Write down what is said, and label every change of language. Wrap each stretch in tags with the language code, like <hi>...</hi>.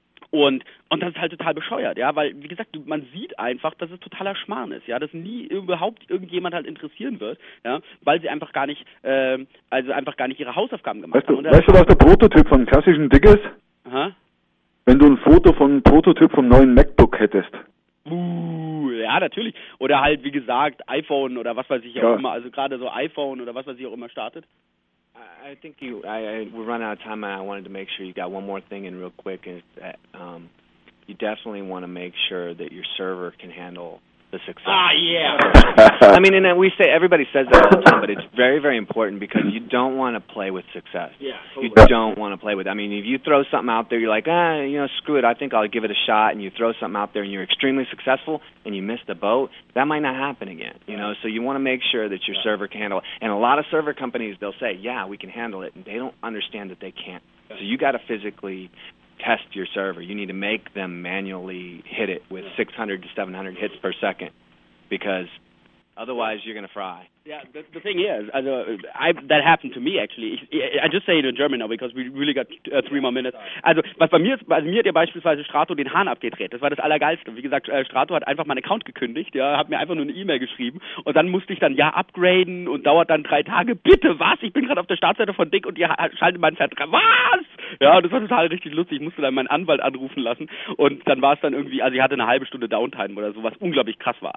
<de>Und das ist halt total bescheuert, ja, weil, wie gesagt, man sieht einfach, dass es totaler Schmarrn ist, ja, dass nie überhaupt irgendjemand halt interessieren wird, ja, weil sie einfach gar nicht, also einfach gar nicht ihre Hausaufgaben gemacht weißt du, haben. Weißt du, was der Prototyp von klassischen Dig ist? Aha. Wenn du ein Foto von einem Prototyp vom neuen MacBook hättest. Ja, natürlich. Oder halt, wie gesagt, iPhone oder was weiß ich auch immer, also gerade so iPhone oder was weiß ich auch immer startet.</de> <en>I think we're running out of time, and I wanted to make sure you got one more thing in real quick, is that you definitely want to make sure that your server can handle the success. Ah, yeah. I mean, and then we say, everybody says that all the time, but it's very, very important because you don't want to play with success. Yeah, totally. You don't want to play with it. I mean, if you throw something out there, you're like, you know, screw it, I think I'll give it a shot, and you throw something out there, and you're extremely successful, and you miss the boat, that might not happen again, you know? So you want to make sure that your server can handle it. And a lot of server companies, they'll say, yeah, we can handle it, and they don't understand that they can't. So you got to physically test your server. You need to make them manually hit it with 600 to 700 hits per second, because Otherwise, you're going to fry. Yeah, the thing is, that happened to me, actually. I just say it in German now, because we really got three more minutes.</en> <de>Also, bei mir hat ja beispielsweise Strato den Hahn abgedreht. Das war das Allergeilste. Wie gesagt, Strato hat einfach meinen Account gekündigt, ja, hat mir einfach nur eine E-Mail geschrieben. Und dann musste ich dann, ja, upgraden und dauert dann 3 Tage. Bitte, was? Ich bin gerade auf der Startseite von Dick und ihr schaltet meinen Vertrag. Was? Ja, das war total richtig lustig. Ich musste dann meinen Anwalt anrufen lassen. Und dann war es dann irgendwie, also ich hatte eine halbe Stunde Downtime oder so, was unglaublich krass war.</de>